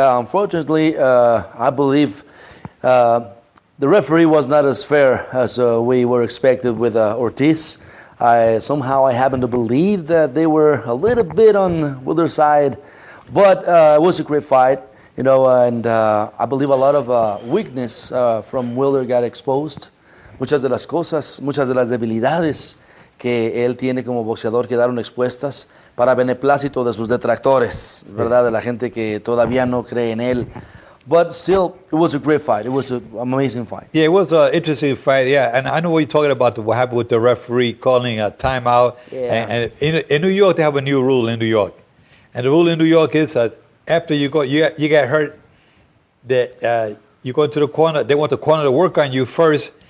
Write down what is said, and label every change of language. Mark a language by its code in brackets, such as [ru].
[en] Unfortunately, I believe the referee was not as fair as we were expected with Ortiz. I happen to believe that they were a little bit on Wilder's side, but it was a great fight, you know, and I believe a lot of weakness from Wilder got exposed. [es] Muchas de las cosas, muchas de las debilidades que él tiene como boxeador quedaron expuestas para beneplácito de sus detractores, ¿verdad? De la gente que todavía no cree en él. [en] But still, it was a great fight. It was an amazing fight. Yeah, it was an interesting fight, yeah. And I know what you're talking about, what happened with the referee calling a timeout. Yeah. And in New York, they have a new rule in New York. And the rule in New York is that after you get hurt, that you go into the corner, they want the corner to work on you first.